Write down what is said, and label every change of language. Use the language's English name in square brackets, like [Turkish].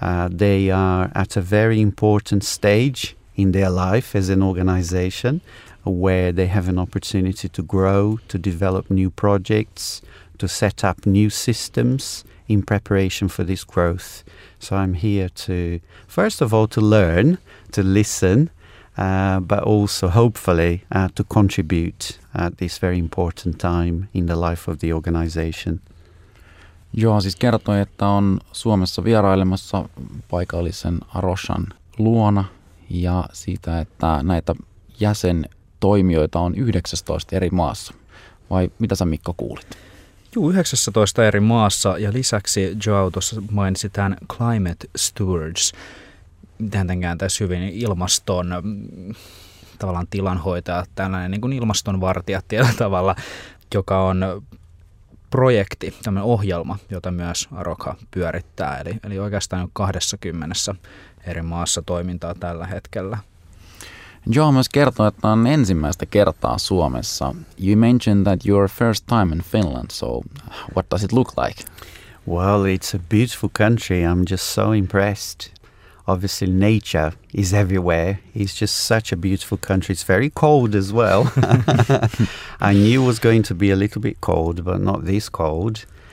[English] They are at a very important stage in their life as an organization, where they have an opportunity to grow, to develop new projects, to set up new systems in preparation for this growth. So I'm here to, first of all, to learn, to listen, but also hopefully to contribute at this very important time in the life of the organization. [Finnish] Joo, siis kertoi, että on Suomessa vierailemassa paikallisen Arochan luona ja siitä, että näitä jäsen toimijoita on 19 eri maassa. Vai mitä sä, Mikko, kuulit? Joo, 19 eri maassa, ja lisäksi João tuossa mainitsi tämän Climate Stewards. Tietenkään tässä hyvin ilmaston tavallaan tilanhoitaja, tällainen niin kuin ilmastonvartija tietyllä tavalla, joka on projekti, tämmöinen ohjelma, jota myös Arocha pyörittää. Eli oikeastaan 20 eri maassa toimintaa tällä hetkellä. João myös kertoi, että on ensimmäistä kertaa Suomessa. [English] You mentioned that your first time in Finland, so what does it look like? Well, it's a beautiful country. I'm just so impressed. Obviously, nature is everywhere. It's just such a beautiful country. It's very cold as well. I knew it was going to be a little bit cold, but not this cold.